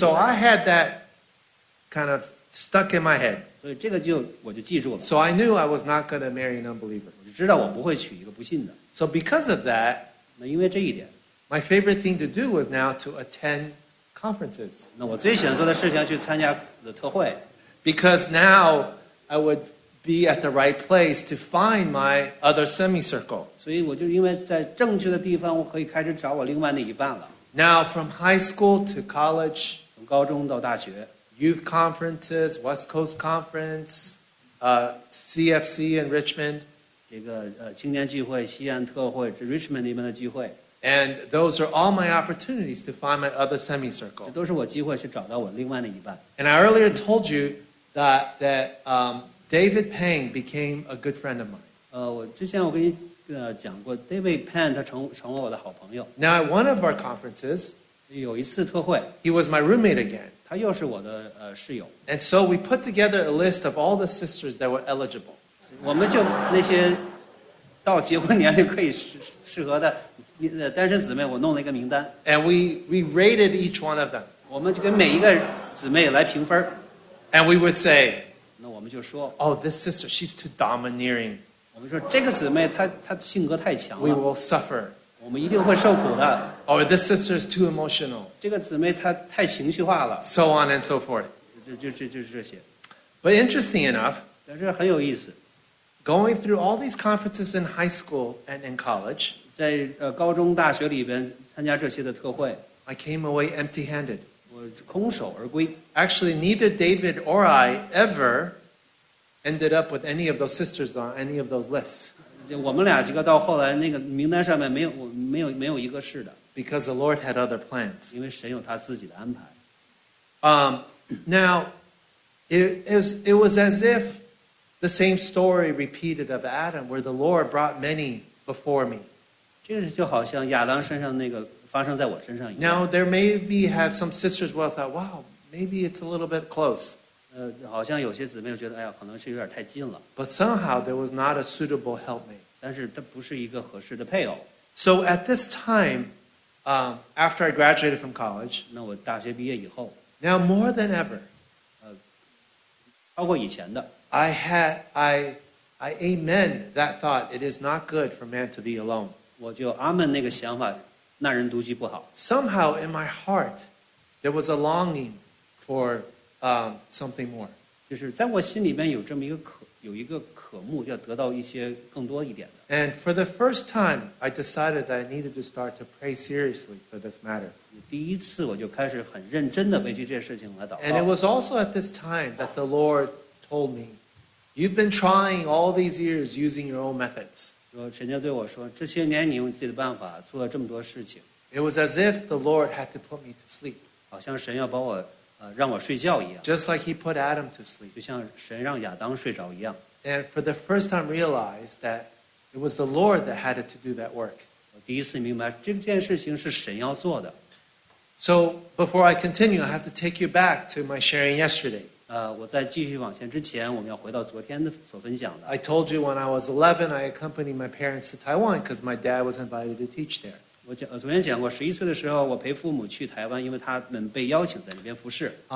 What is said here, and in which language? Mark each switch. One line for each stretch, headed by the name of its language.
English: So, I had that kind of stuck in my head.
Chinese: 所以这个我就记住了。
English: So, I knew I was not going to marry an unbeliever.
Chinese: 我就知道我不会娶一个不信的。
English: So, because of that,
Chinese: 那因为这一点
English: my favorite thing to do was now to attend conferences.
Chinese: 那我最喜欢做的事情去参加的特会。
English: Because now, I would... be at the right place to find my other semicircle.
Chinese: 所以我就因为在正确的地方，我可以开始找我另外那一半了。
English: Now from high school to college,
Chinese: 从高中到大学
English: ，youth conferences, West Coast Conference, CFC in Richmond,
Chinese: 这个青年聚会、西安特会、这 Richmond 那边的聚会
English: ，and those are all my opportunities to find my other semicircle.
Chinese: 这都是我机会去找到我另外那一半。
English: And I earlier told you that David Payne became a good friend of mine.
Chinese: 我之前我跟你讲过 ，David Payne 他成为我的好朋友。
English: Now at one of our conferences,
Chinese: 有一次特会
English: ，he was my roommate again.
Chinese: 他又是我的室友。
English: And so we put together a list of all the sisters that were eligible.
Chinese: 我们就那些到结婚年龄可以适合的单身姊妹，我弄了一个名单。
English: And we rated each one of them.
Chinese: 我们就跟每一个姊妹来评分。
English: And we would say.
Chinese: 我们就说
English: ，Oh, this sister, she's too domineering.
Chinese: 我们说这个姊妹她性格太强了。
English: We will suffer.
Chinese: 我们一定会受苦的。
English: Oh, this sister is too emotional.
Chinese: 这个姊妹她太情绪化了。
English: So on and so forth.
Chinese: 就这些。
English: But interesting enough,
Chinese: 但是很有意思。
English: Going through all these conferences in high school and in college,
Chinese: 在高中大学里边参加这些的特会
English: ，I came away empty-handed.
Chinese: 空手而归。
English: Actually, neither David or I ever ended up with any of those sisters on any of those lists.
Chinese: 我们俩这个到后来那个名单上面没有一个是的。
English: Because the Lord had other plans.
Chinese: 因为神有他自己的安排。
English: Now, it was as if the same story repeated of Adam, where the Lord brought many before me.
Chinese: 这是就好像亚当身上那个。发生在我身上一样。
English: Now there maybe have some sisters where I thought, wow, maybe it's a little bit close.
Chinese: 好像有些姊妹觉得，哎呀，可能是有点太近了。
English: But somehow there was not a suitable helpmate.
Chinese: 但是这不是一个合适的配偶。
English: So at this time, after I graduated from college,
Chinese: 那我大学毕业以后
English: ，now more than ever,
Chinese: 包括以前的
English: ，I amen that thought. It is not good for man to be alone.
Chinese: 我就阿门那个想法。那人独居不好。
English: Somehow in my heart, there was a longing for something more.
Chinese: 就是在我心里面有这么一个渴慕，要得到一些更多一点的。
English: And for the first time, I decided that I needed to start to pray seriously for this matter.
Chinese: 第一次我就开始很认真的为这事情来祷告。
English: And it was also at this time that the Lord told me, "You've been trying all these years using your own methods."
Chinese: 神就对我说：“这些年你用自己的办法做了这么多事情。”
English: It was as if the Lord had to put me to sleep.
Chinese: 好像神要把我让我睡觉一样。
English: Just like He put Adam to sleep.
Chinese: 就像神让亚当睡着一样。
English: And for the first time, realized that it was the Lord that had to do that work.
Chinese: 我第一次明白这件事情是神要做的。
English: So before I continue, I have to take you back to my sharing yesterday.
Chinese: 我在继续往前之前，我们要回到昨天的所分享的。
English: I told you when I was 11, I accompanied my parents to Taiwan because my dad was invited to teach there.
Chinese: 我讲，昨天讲过，十一岁的时候，我陪父母去台湾，因为他们被邀请在那边服事。